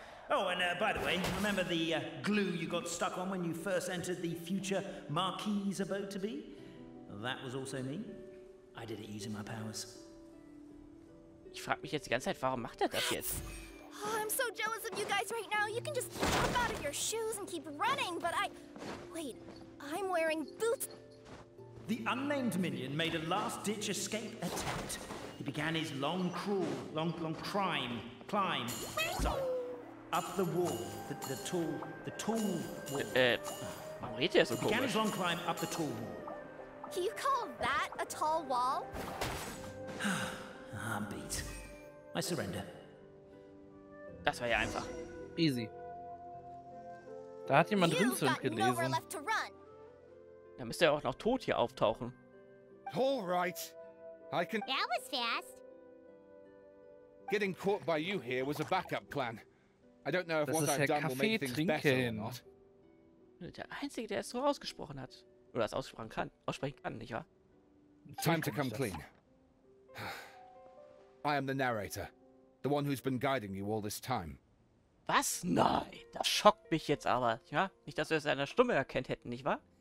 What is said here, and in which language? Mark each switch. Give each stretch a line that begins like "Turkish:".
English: Oh, and by the way, remember the glue you got stuck on when you first entered the future Marquis abode to be? That was also me. I did it using my powers.
German: Ich frag mich jetzt die ganze Zeit, warum macht das jetzt?
English: Oh, I'm so jealous of you guys right now. You can just jump out of your shoes and keep running, but I... Wait, I'm wearing boots. The unnamed minion made a last-ditch escape attempt. He began his long crawl, long crime, climb. Sorry. Up the wall, the tall wall.
German: Warum redet ihr so komisch?
English: Began his long climb up the tall wall. Can you call that a tall wall? I'm beat. I surrender.
German: Das war ja einfach. Easy. Da hat jemand Rinsund gelesen. Da müsste er auch noch tot hier auftauchen.
English: Alright. I can... That was fast. Getting caught by you here was a backup plan. I don't know if
German: das
English: what I've done will make things better or not.
German: Der Einzige, der es so ausgesprochen hat. Oder es aussprechen kann, nicht wahr?
English: Time to come clean. I am the narrator. The one who's been guiding you all this time.
German: Was? Nein! Das schockt mich jetzt aber. Ja, nicht, dass wir es an der Stimme erkennt hätten, nicht wahr?